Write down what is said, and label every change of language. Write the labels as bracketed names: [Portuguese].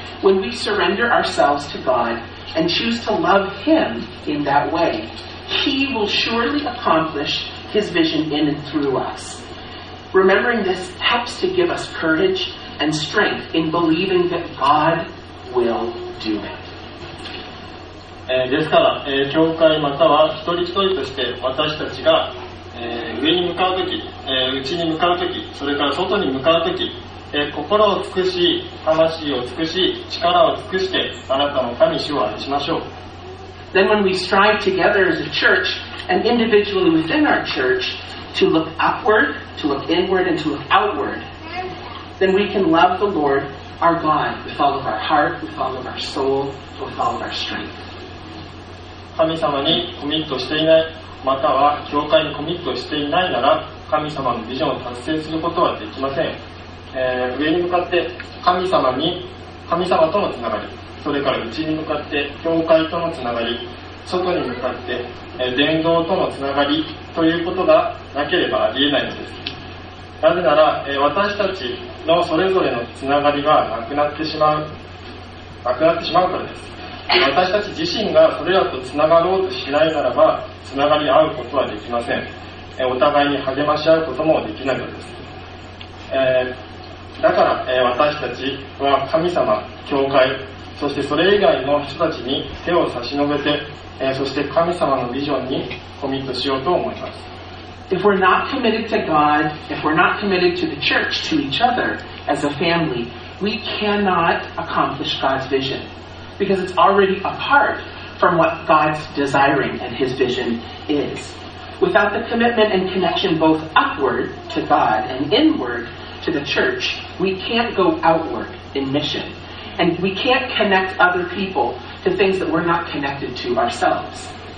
[English] When we surrender ourselves to God and choose to love Him in that way, He will surely accomplish His vision in and through us. Remembering this helps to give us courage and strength in believing that God will do it. [Japanese] ですから、教会または一人一人として私たちが、上に向かうとき、内に向かうとき、それから外に向かうとき、心を尽くし、魂を尽くし、力を尽くしてあなたの神主を愛しましょう。 [English] Then when we strive together as a church and individually within our church,to look upward, to look inward, and to look outward, then we can love the Lord our God with all of our heart, with all of our soul, with all of our strength. [Japanese] 神様にコミットしていない、または教会にコミットしていないなら、神様のビジョンを達成することはできません。上に向かって神様に、神様とのつながり、それから内に向かって教会とのつながり、外に向かって伝道とのつながりということがなければありえないのです。なぜなら私たちのそれぞれのつながりがなくなってしまうからです。私たち自身がそれらとつながろうとしないならば、つながり合うことはできません。お互いに励まし合うこともできないのです。だから私たちは神様、教会、そしてそれ以外の人たちに手を差し伸べて、そして神様のビジョンにコミットしようと思います。 [English] If we're not committed to God, if we're not committed to the church, to each other as a family, we cannot accomplish God's vision because it's already apart from what God's desiring and His vision is. Without the commitment and connection both upward to God and inward to the church, we can't go outward in mission and we can't connect other peopleto things that we're not connected to ourselves.